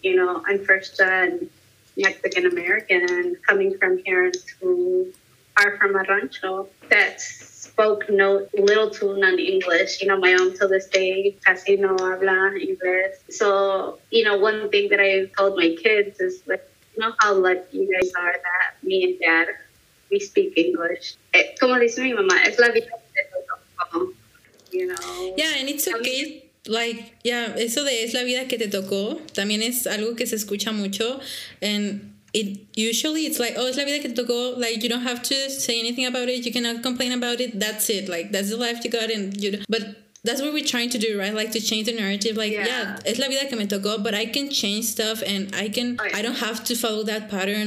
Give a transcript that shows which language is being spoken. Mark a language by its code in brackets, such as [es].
[en] You know, I'm first gen Mexican American coming from parents who are from a rancho that's spoke no little to none English. You know, my mom till this day [es] casi no habla [en] English. So, you know, one thing that I've told my kids is like, you know how lucky you guys are that me and dad, we speak English. [es] Como dice mi mamá, es la vida de tocó. [en] You know? Yeah, and it's okay. Like, yeah, [es] eso de es la vida que te tocó también es algo que se escucha mucho. [en] And it usually it's like, oh, it's [es] la vida que te tocó. [en] Like, you don't have to say anything about it. You cannot complain about it. That's it. Like, that's the life you got. And you know, but that's what we're trying to do, right? Like, to change the narrative. Like, yeah, [es] es la vida que me tocó, [en] but I can change stuff and I can, oh, yeah. I don't have to follow that pattern.